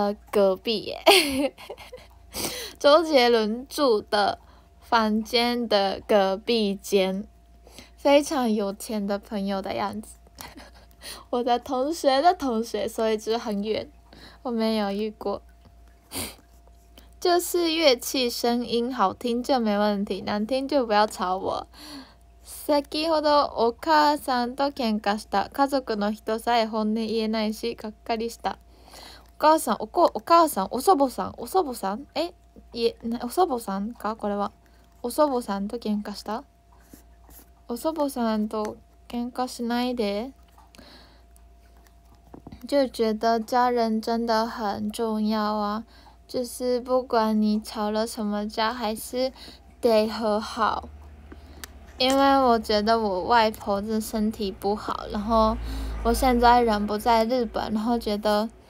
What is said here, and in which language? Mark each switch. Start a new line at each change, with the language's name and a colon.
Chinese: 隔壁耶，周杰伦住的房间的隔壁间，非常有钱的朋友的样子。我的同学的同学，所以就很远，我没有遇过。就是乐器声音好听就没问题，难听就不要吵我。
Japanese: 先ほどお母さんと喧嘩した。家族の人さえ本音言えないし、がっかりした。お母さん、お母さん、お祖母さん、お祖母さん、え、いえ、お祖母さんか、これは。お祖母さんと喧嘩した？お祖母さんと喧嘩しないで。
Chinese: 就觉得家人真的很重要啊，就是不管你吵了什么架，还是得和好。因为我觉得我外婆这身体不好，然后我现在人不在日本，然后觉得。